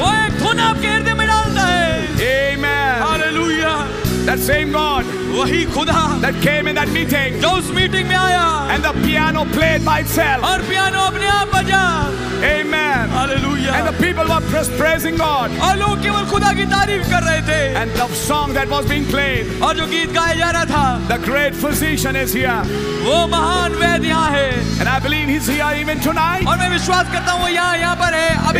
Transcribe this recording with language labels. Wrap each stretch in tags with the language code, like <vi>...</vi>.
<hi>वो एक धुन आपके हृदय में डालता है.</hi> <en>Amen. Hallelujah. That same God.</en> <hi>वही खुदा.</hi> <en>That came in that meeting.</en> <hi>जो उस मीटिंग में आया.</hi> <en>And the piano played by itself.</en> <hi>और पियानो अपने आप बजा.</hi> <en>Amen. Hallelujah. And the people were praising God.</en> <hi>और लोग केवल खुदा की तारीफ कर रहे थे.</hi> <en>And the song that was being played.</en> <hi>और जो गीत गाया जा रहा था.</hi> <en>The great physician is here.</en> <hi>वो महान वैद्य है.</hi> <en>And I believe he's here even tonight.</en> <hi>और मैं विश्वास करता हूँ वो यहाँ पर है अभी.</hi>